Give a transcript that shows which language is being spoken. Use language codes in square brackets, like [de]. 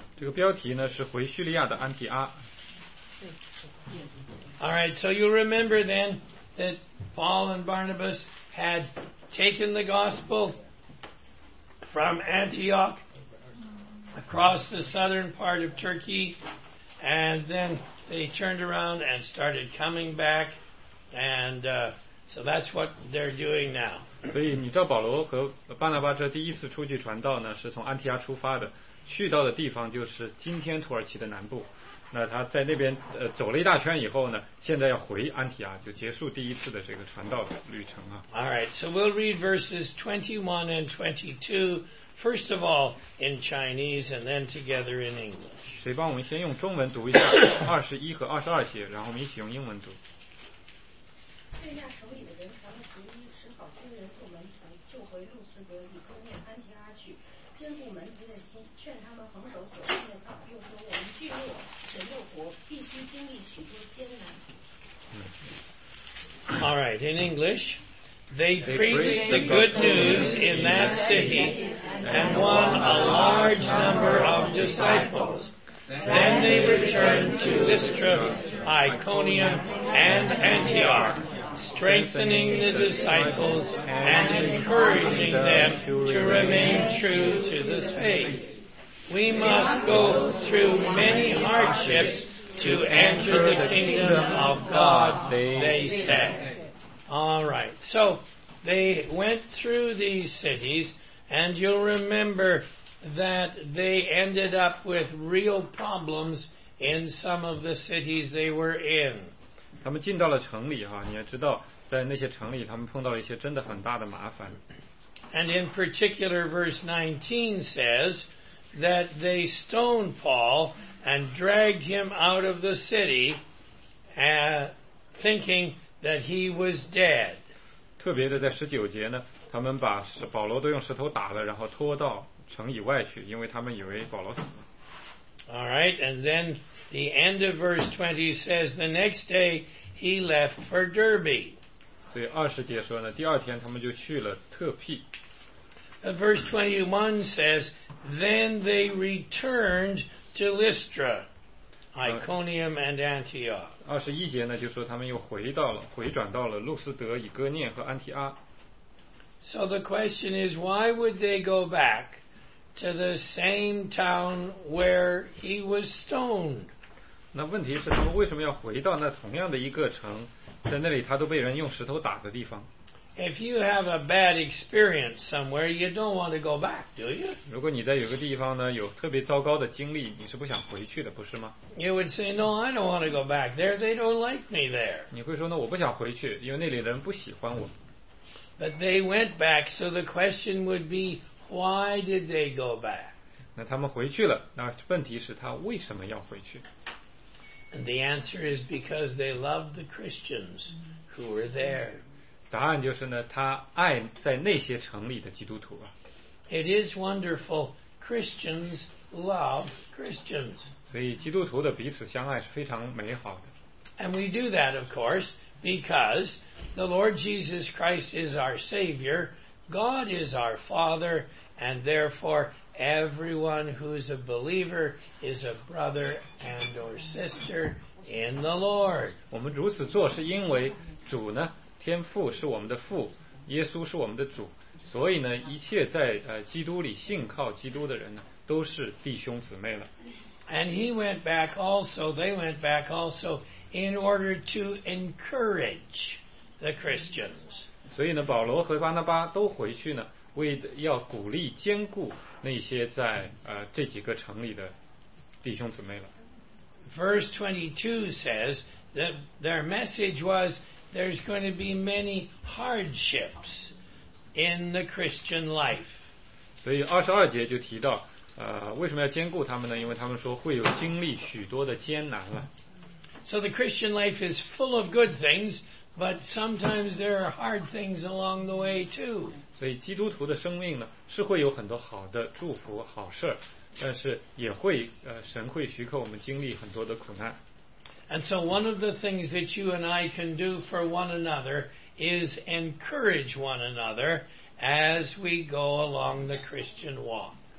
[zh] 这个标题呢是回叙利亚的安提阿。 [en] All right, so you'll remember then that Paul and Barnabas had taken the gospel from Antioch across the southern part of Turkey, and then they turned around and started coming back, and so that's what they're doing now. [zh] 所以你知道保罗和巴拿巴这第一次出去传道呢，是从安提阿出发的，去到的地方就是今天土耳其的南部。那他在那边走了一大圈以后呢，现在要回安提阿，就结束第一次的这个传道的旅程啊。 [en] All right, so we'll read verses 21 and 22, first of all in Chinese and then together in English. [zh] 谁帮我们先用中文读一下21和22节，然后我们一起用英文读。对亚手里的人传了福音，使好心人做门徒，就回路斯德、以哥念、安提阿去，坚固门徒的心，劝他们恒守所信的道。又说：“我们聚落、神的国，必须经历许多艰难。” [en] All right, in English, They preached the good news in that city and won a large number of disciples. Then they returned to Lystra, Iconium, and Antioch, strengthening the disciples and encouraging them to remain true to the faith. We must go through many hardships to enter the kingdom of God, they said. All right, so they went through these cities, and you'll remember that they ended up with real problems in some of the cities they were in. [zh] 他们进到了城里哈，你也知道，在那些城里，他们碰到了一些真的很大的麻烦。 [en] And in particular, verse 19 says that they stoned Paul and dragged him out of the city, thinking that he was dead. [zh] 特别的，在十九节呢，他们把保罗都用石头打了，然后拖到城以外去，因为他们以为保罗死了。 [en] All right, and then. The end of verse 20 says, the next day he left for Derbe. [zh] 对二十节说呢，第二天他们就去了特庇。 [en] Verse 21 says, then they returned to Lystra, Iconium and Antioch. [zh] 二十一节呢，就说他们又回转到了路斯德、以哥念和安提阿。 [en] So the question is, why would they go back to the same town where he was stoned? [zh] 那问题是他们为什么要回到那同样的一个城，在那里他都被人用石头打的地方。 [en] If you have a bad experience somewhere, you don't want to go back, do you? [zh] 如果你在有个地方呢有特别糟糕的经历，你是不想回去的，不是吗？ [en] You would say, no, I don't want to go back there. They don't like me there. [zh] 你会说呢，我不想回去，因为那里的人不喜欢我。 [en] But they went back, so the question would be, why did they go back? [zh] 那他们回去了，那问题是他为什么要回去？ [en] And the answer is because they loved the Christians who were there. [zh] 答案就是呢，他爱在那些城里的基督徒啊。 [en] It is wonderful. Christians love Christians. [zh] 所以基督徒的彼此相爱是非常美好的。 [en] And we do that, of course, because the Lord Jesus Christ is our Savior, God is our Father, and therefore. Everyone who's a believer is a brother and or sister in the Lord. [zh] 我们如此做是因为主呢，天父是我们的父，耶稣是我们的主，所以呢，一切在基督里信靠基督的人呢，都是弟兄姊妹了。 [en] And he went back also, they went back also in order to encourage the Christians. [zh] 所以呢，保罗和巴拿巴都回去呢，为要鼓励坚固。那些在这几个城里的弟兄姊妹了。 [en] Verse 22 says that their message was there's going to be many hardships in the Christian life. [zh] 所以二十二节就提到，为什么要兼顾他们呢？因为他们说会有经历许多的艰难了。 [en] So the Christian life is full of good things, but sometimes there are hard things along the way too. [zh] 所以基督徒的生命呢，是会有很多好的祝福、好事，但是也会神会许可我们经历很多的苦难。 [en] And so one of the things that you and I can do for one another is encourage one another as we go along the Christian walk.